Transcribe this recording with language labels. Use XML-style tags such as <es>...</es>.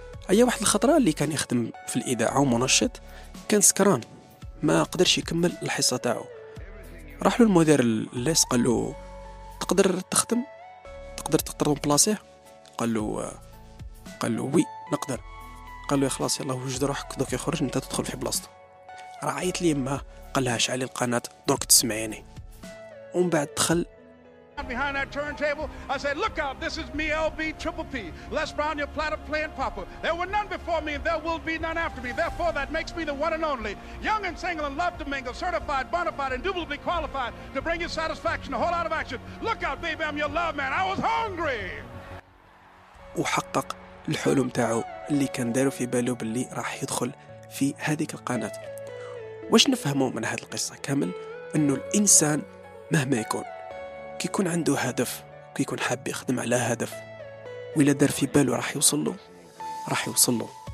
<ar>أي واحد الخطرة اللي كان يخدم في الإذاعة ومنشط كان سكران ما قدرش يكمل الحصة تاعه، راح له المدير الليس قال له تقدر تخدم، تقدر تقدر بلاصه، قال له وي نقدر، قال له خلاص يلا وجد روحك دوك يخرج انت تدخل في بلاصته. رعيت لي ما قال لها شعلي القناة دوك تسمعيني، ومن بعد دخل</ar> <en>behind that turntable I said look out this is me LB triple P Les Brown your platter playing papa there were none before me and there will be none after me therefore that makes me the one and only young and single and love to mingle certified bona fide and indubitably qualified to bring you satisfaction a whole lot of action look out baby I'm your love man I was hungry.</en> <ar>وحقق الحلم تاعو اللي كان دارو في بالو باللي راح يدخل في هذيك القناة. واش نفهمو من هذه القصة كامل؟ انه الانسان مهما يكون كي يكون عنده هدف، كي يكون حاب يخدم على هدف ولا دار في باله راح يوصل له، راح يوصل له.</ar>